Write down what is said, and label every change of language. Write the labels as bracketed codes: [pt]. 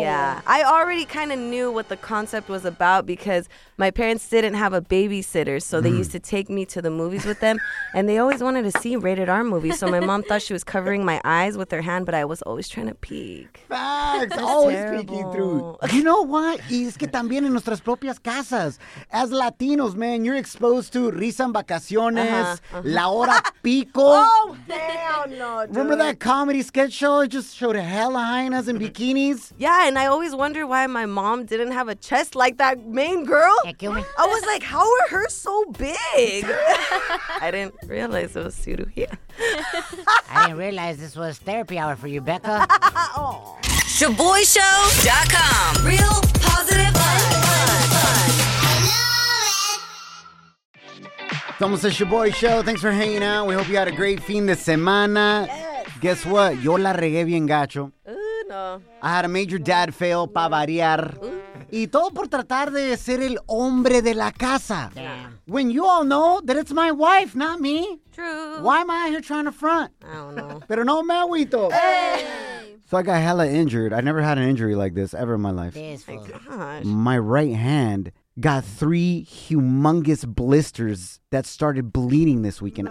[en] Yeah. I already kind of knew what the concept was about because my parents didn't have a babysitter, so they used to take me to the movies with them, and they always wanted to see rated R movies, so my mom thought she was covering my eyes with her hand, but I was always trying to peek. Facts! Always peeking through. You know what? [es] Es que también en nuestras propias casas, [en] as Latinos, man, you're exposed to [es] risa en vacaciones, la hora pico. [en] Oh, damn, no, dude. Remember that comedy sketch show? It just showed hella hyenas in bikinis. Yeah, and I always wonder why my mom didn't have a chest like that main girl. Yeah, kill me. I was like, how are her so big? I didn't realize it was pseudo here. I didn't realize this was therapy hour for you, Becca. ShaboyShow.com. Real positive fun. I love it. It's Shaboy Show. Thanks for hanging out. We hope you had a great [es] fin de semana. [en] Yeah. Guess what? [es] Yo la regué bien gacho. [en] Ooh, no. I had a major dad fail, [es] pa' variar. [en] Ooh. [es] Y todo por tratar de ser el hombre de la casa. [en] Damn. When you all know that it's my wife, not me. True. Why am I here trying to front? I don't know. [es] Pero no me agüito. [en] So I got hella injured. I never had an injury like this ever in my life. My right hand got 3 humongous blisters that started bleeding this weekend.